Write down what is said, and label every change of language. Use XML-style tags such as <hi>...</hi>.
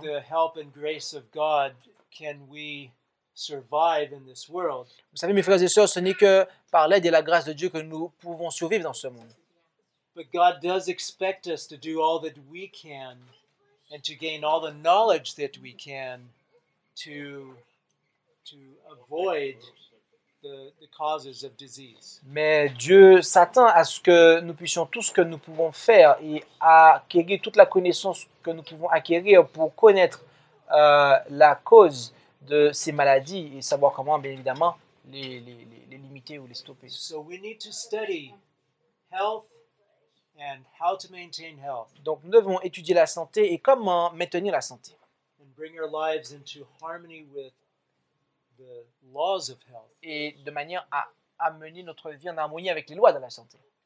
<en>by the help and grace of God, can we survive in this world?</en> <fr>Vous savez, mes frères et sœurs, ce n'est que par l'aide et la grâce de Dieu que nous pouvons survivre dans ce monde.</fr> <en>But God does expect us to do all that we can. And to gain all the knowledge that we can to to avoid the causes of disease.</en> <fr>Mais Dieu s'attend à ce que nous puissions tout ce que nous pouvons faire et acquérir toute la connaissance que nous pouvons acquérir pour connaître la cause de ces maladies et savoir comment, bien évidemment, les limiter ou les stopper.</fr> <en>So we need to study health and how to maintain health.</en> <fr>Donc nous devons étudier la santé et comment maintenir la santé.</fr> <en>And bring our lives into harmony with the laws of health.</en> <fr>Et de manière à amener notre vie en harmonie avec les lois de la santé.</fr>